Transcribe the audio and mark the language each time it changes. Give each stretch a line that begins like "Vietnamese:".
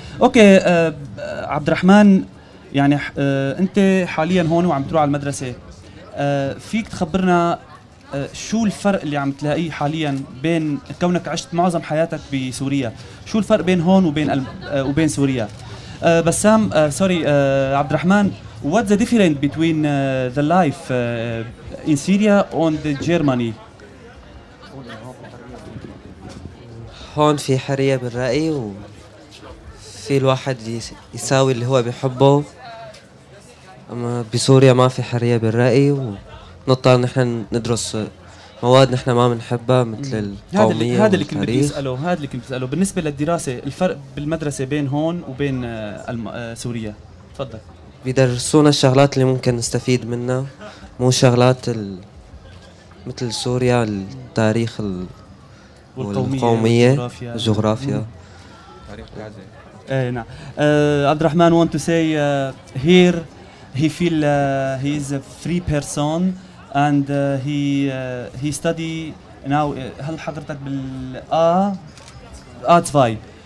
Arabic: Okay, عبد الرحمن, يعني أنت حالياً هون وعم تروح على المدرسة. فيك تخبرنا شو الفرق اللي عم تلاقيه حالياً بين كونك عشت معظم حياتك بسوريا. شو الفرق بين هون وبين سوريا؟
English: بسام, sorry, عبد الرحمن, what's the difference between the life in Syria and Germany?
Arabic: هون في حرية بالرأي وفي الواحد يساوي اللي هو بيحبه أما بسوريا ما في حرية بالرأي ونضطر نحن ندرس مواد نحن ما بنحبها مثل القومية هذا اللي كنت بيسأله هذا اللي كنت بيسأله بالنسبة للدراسة الفرق بالمدرسة بين هون وبين سوريا تفضل بيدرسونا الشغلات اللي ممكن نستفيد منها مو شغلات مثل سوريا التاريخ والقوميه جغرافيا تاريخ غزه نعم
English: عبد الرحمن want to say here he feel he is a free person and he study now
Arabic: هل حضرتك بالآ
English: A2